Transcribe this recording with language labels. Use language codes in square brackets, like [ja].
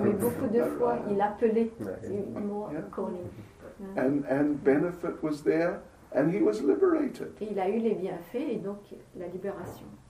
[fr] Mais beaucoup de fois, il appelait [en] more calling. And benefit was there, and he was liberated. [fr] Et il a eu les bienfaits et donc la libération.